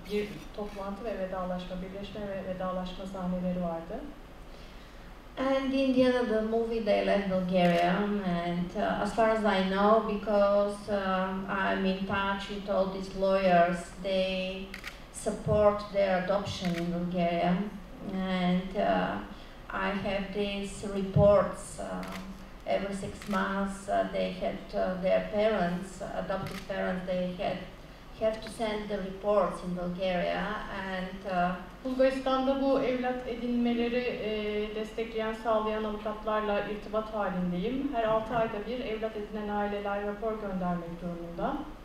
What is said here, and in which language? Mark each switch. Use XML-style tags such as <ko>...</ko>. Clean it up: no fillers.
<tr>Bir toplantı ve vedalaşma, birleşme ve vedalaşma sahneleri vardı.</tr> <en>And in the end of the movie, they left Bulgaria. And as far as I know, because I'm in touch with all these lawyers, they support their adoption in Bulgaria. And I have these reports every 6 months. They had their parents, adopted parents. They had have to send the reports in Bulgaria. And</en> <tr>Bulgaristan'da bu evlat edinmeleri destekleyen, sağlayan avukatlarla irtibat halindeyim. Her 6 ayda bir evlat edinen aileler rapor göndermek durumunda.</tr>